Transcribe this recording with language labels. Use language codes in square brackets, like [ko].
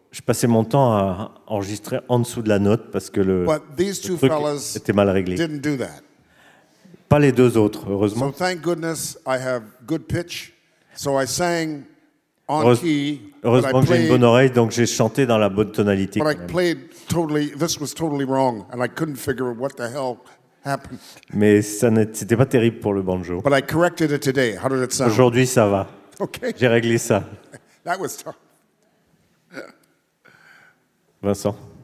[fr] Je passais mon temps à enregistrer en dessous de la note parce que le truc était mal réglé. [en] Didn't do that. [fr] Pas les deux autres, heureusement. [en] So thank goodness I have good pitch. So I sang on key. [fr] Heureusement que j'ai une bonne oreille, donc j'ai chanté dans la bonne tonalité. [en] But I played totally. This was totally wrong, and I couldn't figure out what the hell happened. [fr] Mais ça n'était pas terrible pour le banjo. [en] But I corrected it today. How did it sound? [fr] Aujourd'hui, ça va. [en] Okay. [fr] J'ai réglé ça. [en] That was tough. Vincent.